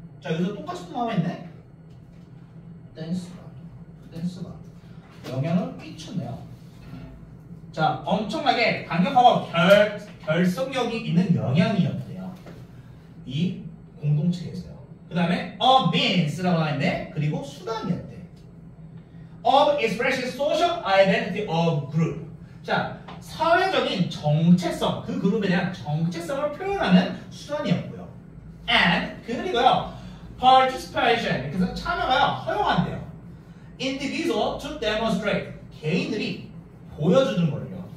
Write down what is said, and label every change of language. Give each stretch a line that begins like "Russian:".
Korean: 자, 여기서 똑같이 또 나와 있네. 댄스가 영향을 끼쳤네요. 자, 엄청나게 강력하고 결속력이 있는 영향이었대요. 이 공동체에서요. 그 다음에 of means 라고 하는데 그리고 수단이었대.
English: of expression social identity of group.
Korean: 자, 사회적인 정체성, 그 그룹에 대한 정체성을 표현하는 수단이었고요. and 그리고요 participation 이렇게 해서 참여가 허용한대요. individual to demonstrate 개인들이 보여주는 거예요.